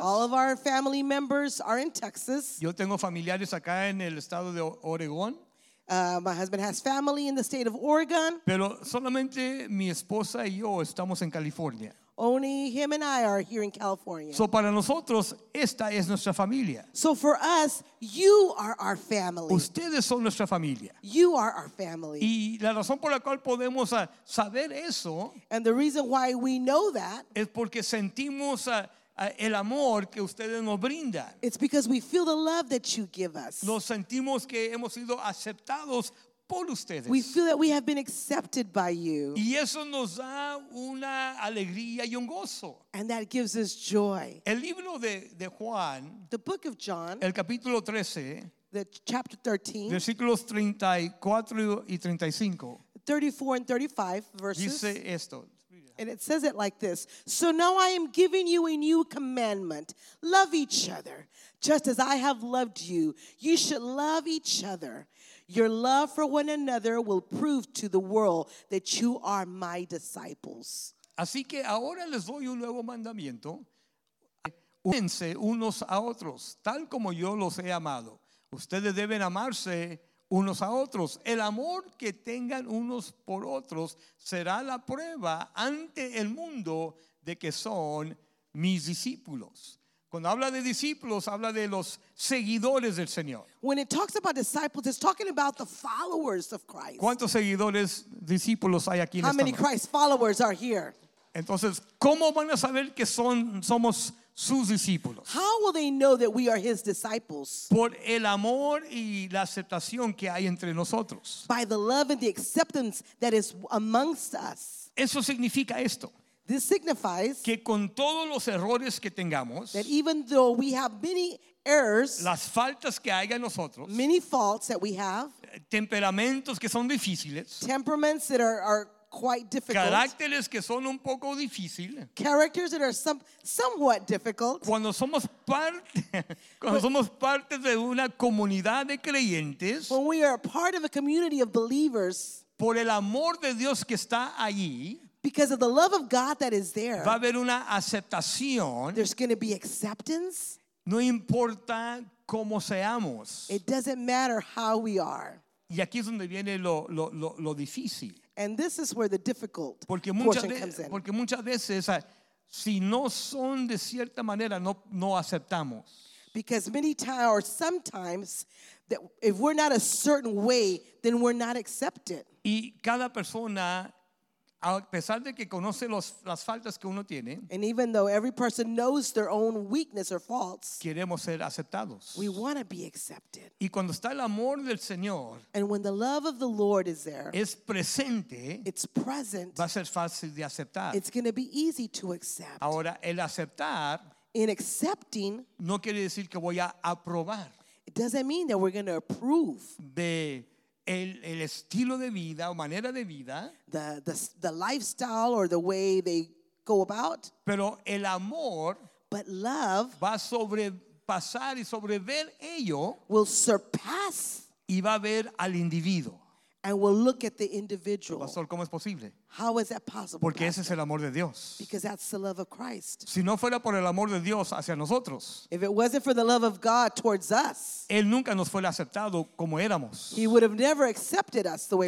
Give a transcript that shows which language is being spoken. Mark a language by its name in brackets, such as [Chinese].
[English] All of our family members are in Texas. [Spanish] Yo tengo familiares acá en el estado de Oregón. [English] My husband has family in the state of Oregon. [Spanish] Pero solamente mi esposa y yo estamos en California. [English] Only him and I are here in California. [Spanish] So para nosotros, esta es nuestra familia. [English] So for us, you are our family. [Spanish] Ustedes son nuestra familia. [English] You are our family. [Spanish] Y la razón por la cual podemos saber eso, [English] and the reason why we know that, [Spanish] es porque sentimos el amor que ustedes nos brindan. [English] It's because we feel the love that you give us. [Spanish] Nos sentimos que hemos sido aceptados por ustedes. [English] We feel that we have been accepted by you. [Spanish] Y eso nos da una alegría y un gozo. [English] And that gives us joy. [Spanish] El libro de Juan, [English] the book of John, [Spanish] el capítulo 13, [English] the chapter 13, [Spanish] versículos 34 y 35, [English] 34 and 35 verses, [Spanish] dice esto. [English] And it says it like this: So now I am giving you a new commandment. Love each other. Just as I have loved you, you should love each other. Your love for one another will prove to the world that you are my disciples. [Spanish] Así que ahora les doy un nuevo mandamiento. Amense unos a otros, tal como yo los he amado. Ustedes deben amarse unos a otros. El amor que tengan unos por otros será la prueba ante el mundo de que son mis discípulos. Cuando habla de discípulos, habla de los seguidores del Señor. [English] When it talks about disciples, it's talking about the followers of Christ. [Spanish] ¿Cuántos seguidores, discípulos hay aquí en [English] esta noche? How many Christ followers are here? [Spanish] Entonces, ¿cómo van a saber que somos sus discípulos? [English] How will they know that we are his disciples? [Spanish] Por el amor y la aceptación que hay entre nosotros. [English] By the love and the acceptance that is amongst us. [Spanish] Eso significa esto. [English] This signifies [Spanish] que con todos los errores que tengamos, [English] that even though we have many errors, [Spanish] las faltas que haya nosotros, [English] many faults that we have, [Spanish] temperamentos que son difíciles, [English] temperaments that are quite difficult, [Spanish] caracteres que son un poco difícil, [English] characters that are somewhat difficult, [Spanish] cuando somos parte, cuando somos parte de una comunidad de creyentes, [English] when we are part of a community of believers, [Spanish] por el amor de Dios que está allí, [English] because of the love of God that is there, [Spanish] va a haber una aceptación, [English] there's going to be acceptance. [Spanish] No importa cómo seamos, [English] it doesn't matter how we are. [Spanish] Y aquí es donde viene lo difícil. [English] And this is where the difficult comes in. [Spanish] Porque muchas veces, si no son de cierta manera, no aceptamos. [English] Because many times, or sometimes, that if we're not a certain way, then we're not accepted. [Spanish] Y cada persona, a pesar de que conoce las faltas que uno tiene, [English] and even though every person knows their own weakness or faults, [Spanish] queremos ser aceptados. [English] We want to be accepted. [Spanish] Y cuando está el amor del Señor, [English] and when the love of the Lord is there, [Spanish] es presente, [English] it's present, [Spanish] va a ser fácil de aceptar. [English] It's going to be easy to accept. [Spanish] Ahora, el aceptar, [English] in accepting, [Spanish] no quiere decir que voy a aprobar. [English] It doesn't mean that we're going to approve. [Spanish] De el estilo de vida o manera de vida, [English] the lifestyle or the way they go about, [Spanish] pero el amor, [English] but love, [Spanish] va a sobrepasar y sobrever ello, [English] will surpass, [Spanish] y va a ver al individuo, [English] and will look at the individual. [Spanish] Pastor, ¿cómo es posible? [English] How is that possible? [Spanish] Porque ese es el amor de Dios. [English] Because that's the love of Christ. [Spanish] Si no fuera por el amor de Dios hacia nosotros, [English] if it wasn't for the love of God towards us, [Spanish] él nunca nos fuera aceptado como éramos. [English] He would have never accepted us the way